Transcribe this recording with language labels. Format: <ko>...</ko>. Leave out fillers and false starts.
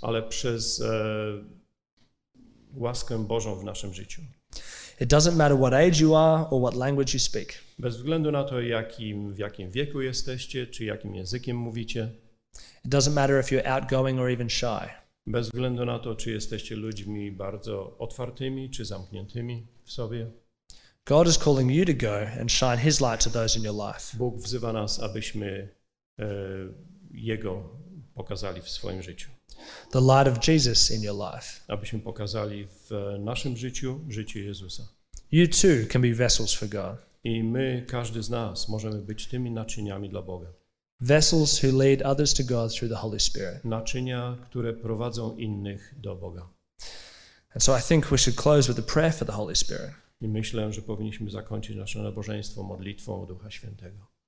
<pl>Ale przez łaskę Bożą w naszym życiu.</pl> <en>It doesn't matter what age you are or what language you speak.</en> <pl>Bez względu na to, w jakim wieku jesteście, czy jakim językiem mówicie.</pl> <en>It doesn't matter if you're outgoing or even shy.</en> <pl>Bez względu na to, czy jesteście ludźmi bardzo otwartymi, czy zamkniętymi w sobie.</pl> <en>God is calling you to go and shine His light to those in your life.</en> <pl>Bóg wzywa nas, abyśmy Jego pokazali w swoim życiu.</pl> <en>The light of Jesus in your life.</en> <pl>Abyśmy pokazali w naszym życiu życie Jezusa.</pl> <en>You too can be vessels for God.</en> <pl>I my, każdy z nas, możemy być tymi naczyniami dla Boga.</pl> <en>Vessels who lead others to God through the Holy Spirit.</en> <pl>Naczynia, które prowadzą innych do Boga.</pl> <en>And so I think we should close with a prayer for the Holy Spirit.</en> <pl>I myślę, że powinniśmy zakończyć nasze nabożeństwo modlitwą o Ducha Świętego.</pl>